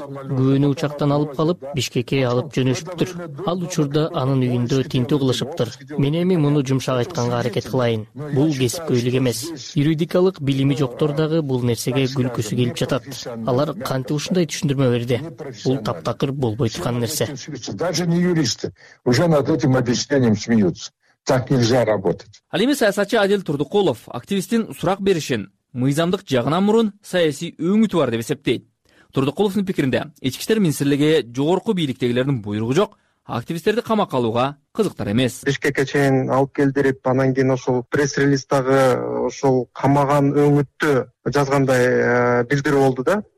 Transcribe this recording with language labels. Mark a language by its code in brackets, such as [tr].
[ky] Күбөнү учактан алып калып, Бишкекке алып жөнөшүптүр. Ал учурда анын үйүндө тинтүү кылышыптыр. Мен эми муну жумшак айтканга аракет кылайын. Бул кесипкөйлүк эмес. Юридикалык билими жоктор дагы бул нерсеге күлкүсү келип жатат. Алар кантип ушундай түшүндүрмө берди? Бул таптакыр болбой турган нерсе. [ru] Даже не юристы уже над этим объяснением смеются. Так нельзя работать. [ky] Ал эми саясатчы Адил Турдукулов активисттин сурак беришин мыйзамдык жагынан мурун саясий өңүтү бар деп эсептейт. Турдукуловдун пикиринде Ички иштер министрлиги жогорку бийликтегилердин буйругу жок, активисттерди камакка алууга кызыктар эмес. Бишкекке чейин алып келдирип, анан кийин ошол пресс-релиздагы ошол камаган өңүттү жазгандай билдирүү болду да.